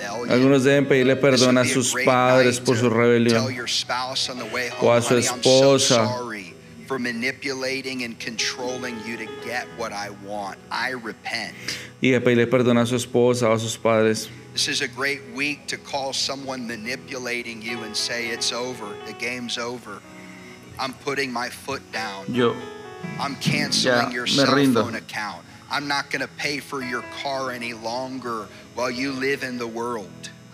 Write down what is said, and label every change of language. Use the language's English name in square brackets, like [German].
[Spanish] Algunos deben pedirle perdón a sus padres por su rebelión, o a su esposa. [English] For manipulating and controlling you to get what I want. I repent. [Spanish] Y de pedirle perdón a su esposa o a sus padres. [English] This is a great week to call someone manipulating you and say it's over, the game's over. I'm putting my foot down. [Spanish] Yo [English] I'm canceling your cell phone account. I'm not going to pay for your car any longer while you live in the world.